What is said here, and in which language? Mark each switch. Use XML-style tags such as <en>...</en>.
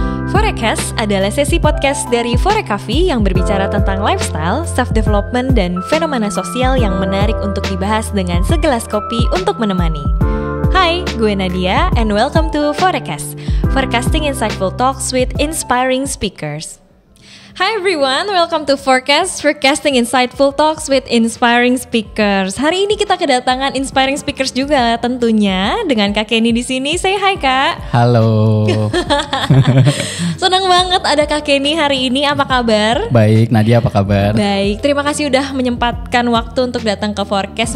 <id>Forecast adalah sesi podcast dari Forek Coffee yang berbicara tentang lifestyle, self-development, dan fenomena sosial yang menarik untuk dibahas dengan segelas kopi untuk menemani. Hai, gue Nadia,</id> <en>and welcome to Forecast, forecasting insightful talks with inspiring speakers. Hi everyone, welcome to Forecast, forecasting insightful talks with inspiring speakers.</en> <id>Hari ini kita kedatangan inspiring speakers juga tentunya dengan Kak Kenny di sini.</id> <en>Say hi, Kak.</en> <id>Halo. Senang banget ada Kak Kenny hari ini. Apa kabar? Baik, Nadia apa kabar? Baik. Terima kasih udah menyempatkan waktu untuk datang ke Forecast.</id>